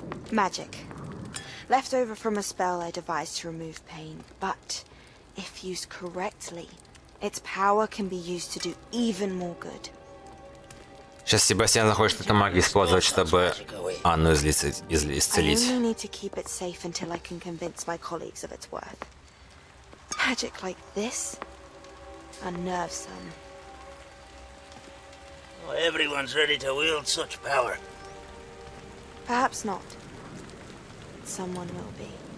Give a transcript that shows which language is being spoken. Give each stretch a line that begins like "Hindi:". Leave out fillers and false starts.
English: Magic. Left over from a spell I devised to remove pain. But if used correctly, its power can be used to do even more good.
Russian: Сейчас Себастьян захочет эту магию использовать, чтобы Анну исцелить.
English: I only need to keep it safe until I can convince my colleagues of its worth. Magic like this unnerves some. Everyone's ready to wield such power. Perhaps not. Someone will be.